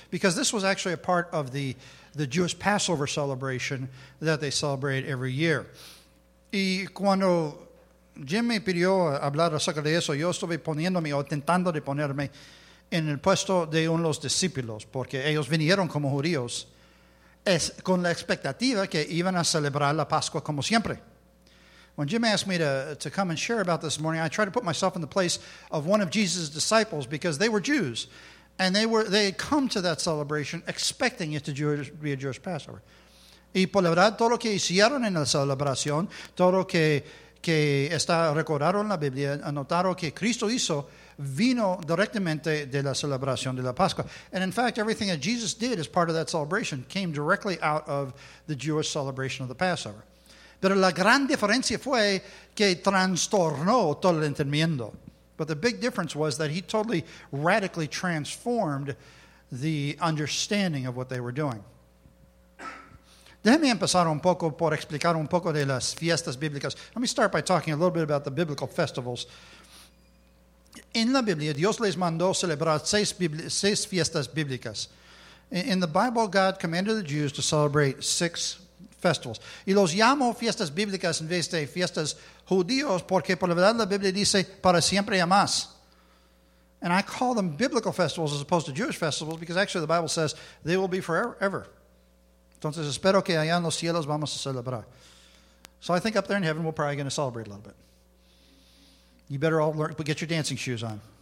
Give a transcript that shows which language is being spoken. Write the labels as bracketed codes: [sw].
[en] Because this was actually a part of the Jewish Passover celebration that they celebrate every year. [es] Y cuando Jim me pidió hablar acerca de eso, yo estuve poniéndome o intentando de ponerme en el puesto de uno de los discípulos, porque ellos vinieron como judíos con la expectativa que iban a celebrar la Pascua como siempre. [en] When Jim asked me to come and share about this morning, I tried to put myself in the place of one of Jesus' disciples because they were Jews, and they had come to that celebration expecting it to be a Jewish Passover. [es] Y por la verdad, todo lo que hicieron en la celebración, todo lo que está recordado en la Biblia, anotaron que Cristo hizo, vino directamente de la celebración de la Pascua. [en] And in fact, everything that Jesus did as part of that celebration came directly out of the Jewish celebration of the Passover. [es] Pero la gran diferencia fue que trastornó todo el entendimiento. [en] But the big difference was that he totally radically transformed the understanding of what they were doing. [es] Déjame empezar un poco por explicar un poco de las fiestas bíblicas. [en] Let me start by talking a little bit about the biblical festivals. [es] En la Biblia, Dios les mandó celebrar seis fiestas bíblicas. [en] In the Bible, God commanded the Jews to celebrate six festivals. [es] Y los llamo fiestas bíblicas en vez de fiestas judíos porque por la verdad la Biblia dice para siempre y más. [en] And I call them biblical festivals as opposed to Jewish festivals because actually the Bible says they will be forever. Ever. [es] Entonces espero que allá en los cielos vamos a celebrar. [en] So I think up there in heaven we're probably going to celebrate a little bit. You better all learn, get your dancing shoes on.